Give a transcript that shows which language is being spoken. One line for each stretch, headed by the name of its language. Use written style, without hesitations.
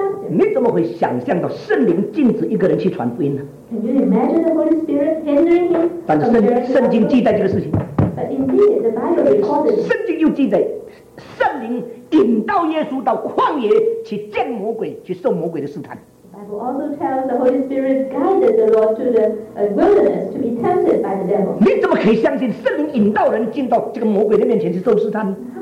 Chinese: 你怎么会想象到圣灵禁止一个人去传福音呢？
English: Can you imagine the Holy Spirit hindering him?
Chinese: 但是圣经记载这个事情。
English: But indeed, the Bible records.
Chinese: 圣经又记载，圣灵引导耶稣到旷野去见魔鬼，去受魔鬼的试探。
English: The Bible also tells the Holy Spirit guided the Lord to the wilderness to be tempted by the devil.
Chinese: 你怎么可以相信圣灵引导人进到这个魔鬼的面前去受试探呢？